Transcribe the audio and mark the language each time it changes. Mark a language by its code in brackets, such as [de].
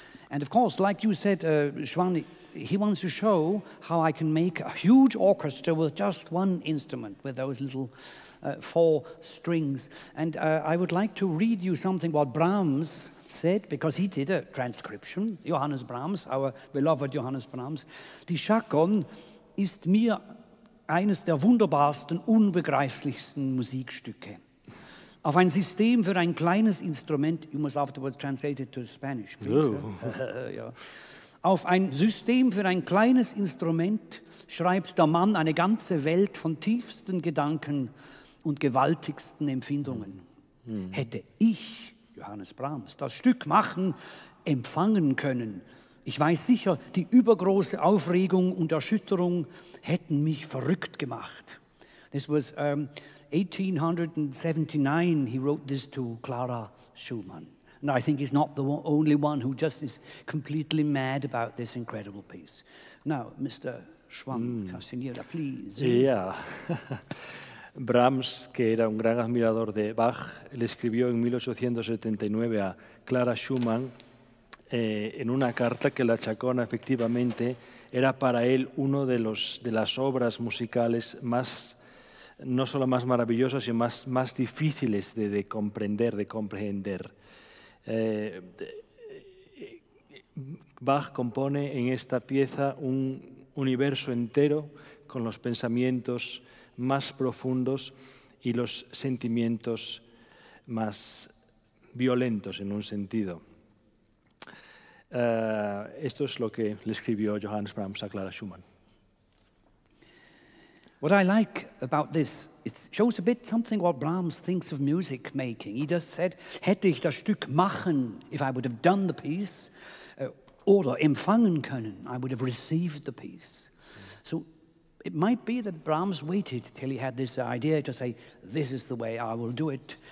[en] And of course, like you said, Xoán, he wants to show how I can make a huge orchestra with just one instrument, with those little four strings. And I would like to read you something what Brahms said, because he did a transcription, Johannes Brahms, our beloved Johannes Brahms. [de] Die Chaconne ist mir eines der wunderbarsten, unbegreiflichsten Musikstücke. Auf ein System für ein kleines Instrument, [en] you must afterwards translate it to Spanish, please. Yeah. [de] Auf ein System für ein kleines Instrument schreibt der Mann eine ganze Welt von tiefsten Gedanken und gewaltigsten Empfindungen. Hätte ich, Johannes Brahms, das Stück machen, empfangen können, ich weiß sicher, die übergroße Aufregung und Erschütterung hätten mich verrückt gemacht. [en] This was 1879, he wrote this to Clara Schumann. And I think he's not the only one who just is completely mad about this incredible piece. Now, Mr. Xoán, Castiñeira, please. Yeah. [es] Brahms, que era un gran admirador de Bach, le escribió en 1879 a Clara Schumann en una carta que la Chaconne efectivamente era para él uno de los de las obras musicales más no solo más maravillosas sino más más difíciles de comprender de comprender. Bach compone en esta pieza un universo entero con los pensamientos más profundos y los sentimientos más violentos en un sentido. Esto es lo que le escribió Johannes Brahms a Clara Schumann. [en] What I like about this, it shows a bit something what Brahms thinks of music making. He just said, [de] hätte ich das Stück machen, [en] if I would have done the piece, [de] oder empfangen können, [en] I would have received the piece. So it might be that Brahms waited till he had this idea to say, this is the way I will do it.